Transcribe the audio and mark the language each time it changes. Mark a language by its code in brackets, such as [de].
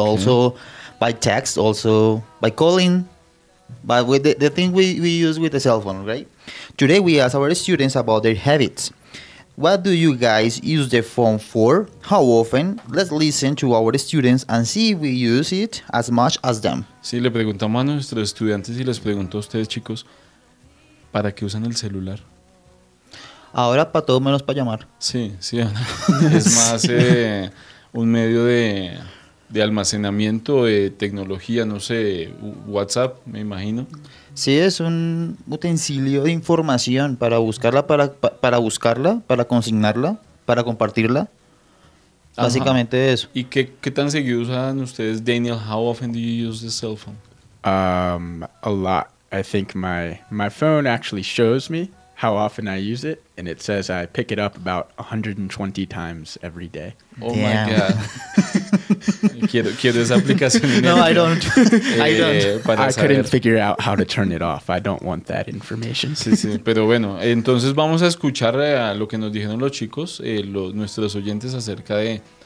[en] Also by text, also by calling, but with the thing we use with the cell phone, right? Today we ask our students about their habits. What do you guys use the phone for? How often? Let's listen to our students and see if we use it as much as them. [es] Sí, le preguntamos a nuestros estudiantes y les pregunto a ustedes, chicos, ¿para qué usan el celular? Ahora para todo menos para llamar. Sí, sí. Es más sí. Un medio de almacenamiento, de tecnología, no sé, WhatsApp, me imagino. Sí, es un utensilio de información para buscarla, para consignarla, para compartirla. Ajá. Básicamente eso. ¿Y qué tan seguido usan ustedes, Daniel? [en] How often do you use the cell phone? A lot. I think my phone actually shows me how often I use it, and it says I pick it up about 120 times every day. Oh damn. My god. [es] Quiero esa aplicación. [en] No, I don't. I don't. I couldn't figure out how to turn it off. I don't want that information. [es] Sí, sí. Pero bueno, entonces vamos a escuchar a lo que nos dijeron los chicos, nuestros oyentes acerca de